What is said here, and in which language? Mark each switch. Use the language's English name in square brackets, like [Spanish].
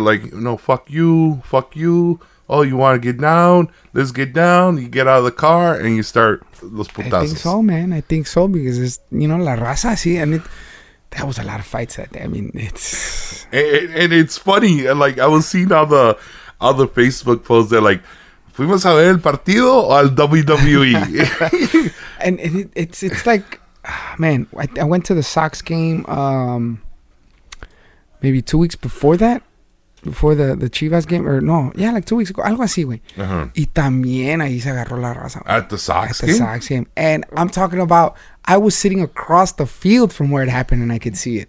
[English] Like, you know, fuck you. Oh, you want to get down? Let's get down. You get out of the car and you start los putazos. I think so, man. I think so because it's, you know, la raza, sí. And that was a lot of fights that day. I mean, it's... And it's funny. Like, I was seeing all the Facebook posts. [Spanish] They're like, ¿Fuimos a ver el partido o al WWE? [English] and it's like, man, I went to the Sox game maybe 2 weeks before that. Before the Chivas game, or no, yeah, like 2 weeks ago, algo así, güey. Uh-huh. [Spanish] Y también ahí se agarró la raza. [English] At the Sox game. And I'm talking about, I was sitting across the field from where it happened and I could see it.